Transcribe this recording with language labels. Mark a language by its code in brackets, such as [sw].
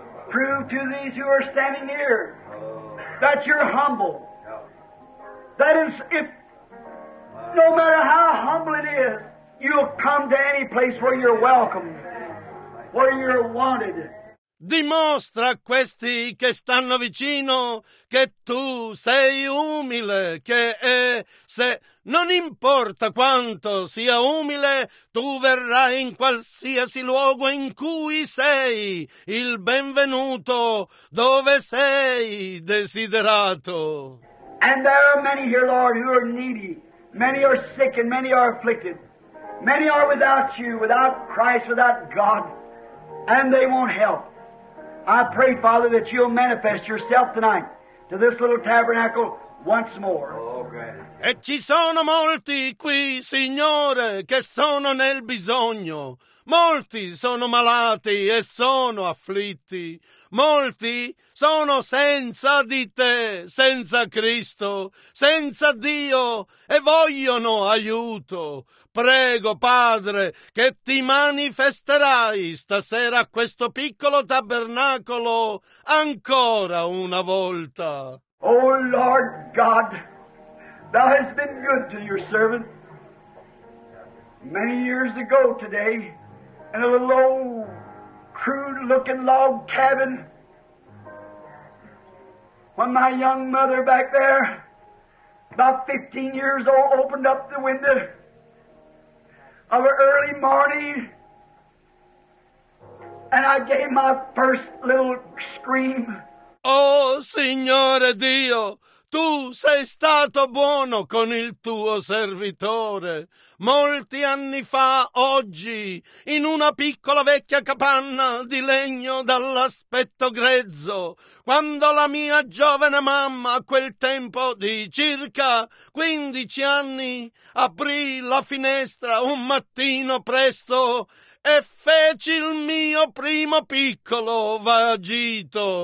[en] Prove to these who are standing here that you're humble. That is, if no matter how humble it is, you'll come to any place where you're welcome, where you're wanted. [it] Dimostra a questi che stanno vicino che tu sei umile, che se non importa quanto sia umile, tu verrai in qualsiasi luogo in cui sei il benvenuto, dove sei desiderato. [en] And there are many here, Lord, who are needy. Many are sick and many are afflicted. Many are without you, without Christ, without God, and they won't help. I pray, Father, that you'll manifest yourself tonight to this little tabernacle once more. [it] E ci sono molti qui, Signore, che sono nel bisogno. Molti sono malati e sono afflitti. Molti sono senza di te, senza Cristo, senza Dio e vogliono aiuto. Prego, Padre, che ti manifesterai stasera a questo piccolo tabernacolo ancora una volta. [en] Oh Lord God, thou hast been good to your servant. Many years ago today, in a little old, crude-looking log cabin, when my young mother back there, about 15 years old, opened up the window of an early morning, and I gave my first little scream. [it] Oh, Signore Dio, tu sei stato buono con il tuo servitore. Molti anni fa, oggi, in una piccola vecchia capanna di legno dall'aspetto grezzo, quando la mia giovane mamma, a quel tempo di circa 15 anni, aprì la finestra un mattino presto e feci il mio primo piccolo vagito.